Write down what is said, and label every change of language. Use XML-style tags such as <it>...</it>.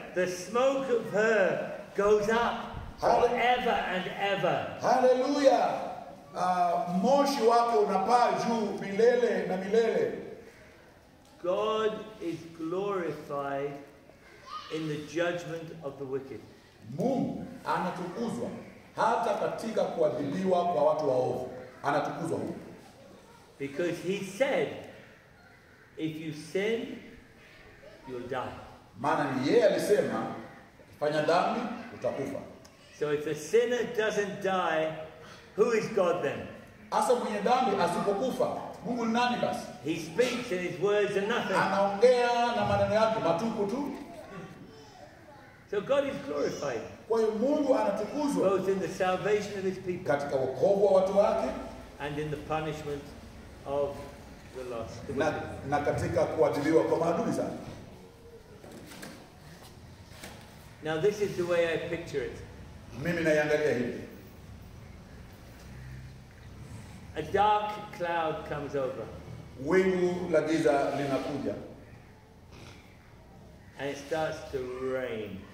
<en>The smoke of her goes up forever and ever.</en> <sw>Hallelujah. Moshi wake unapaa juu milele na milele.</sw> <en>God is glorified in the judgment of the wicked.</en> <sw>Mungu anatukuzwa hata katika kuadhibiwa kwa watu waovu. Anatukuzwa huko.</sw> <en>Because he said, if you sin, you'll die.</en> <sw>Maana ni yeye alisema, ukifanya dhambi utakufa.</sw> <en>So if a sinner doesn't die, who is God then?</en> <sw>Asa mwenye dhambi asipokufa, Mungu nani basi?</sw> <en>He speaks and his words are nothing.</en> <sw>Anaongea na maneno yake matupu tu.</sw> <en>So God is glorified.</en> <sw>Kwa hiyo Mungu anatukuzwa.</sw> <en>Both in the salvation of his people.</en> <sw>Katika wokovu wa watu wake.</sw> <en>And in the punishment of the lost.</en> <sw>Na katika kuadhibiwa kwa maadui zake.</sw> <en>Now this is the way I picture it.</en> <sw>Mimi naiangalia hivi.</sw> <en>A dark cloud comes over.</en> <sw>Wingu la giza linakuja.</sw> <en>And it starts to rain.</en>